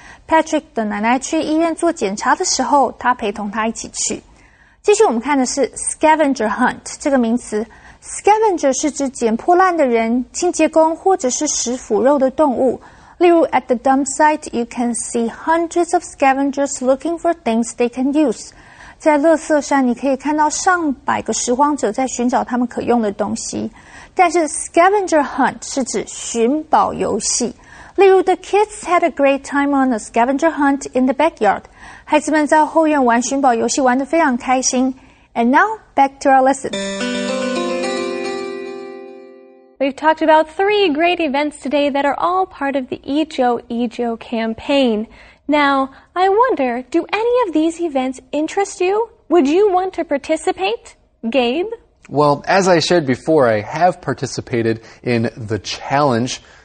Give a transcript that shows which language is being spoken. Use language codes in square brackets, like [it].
[zh] Patrick 的奶奶去医院做检查的时候，他陪同他一起去。继续我们看的是 scavenger hunt 这个名词。Scavenger 是指捡破烂的人、清洁工或者是食腐肉的动物。例如 [en] ,at the dump site, you can see hundreds of scavengers looking for things they can use. [zh] 在垃圾山你可以看到上百个拾荒者在寻找他们可用的东西。但是 scavenger hunt 是指寻宝游戏。例如 [en] ,the kids had a great time on a scavenger hunt in the backyard. [zh] 孩子们在后院玩寻宝游戏玩得非常开心。 [en] And now, back to our lesson. We've talked about three great events today that are all part of the Ijo Ijo campaign. Now, I wonder, do any of these events interest you? Would you want to participate, Gabe? Well, as I shared before, I have participated in the challenge,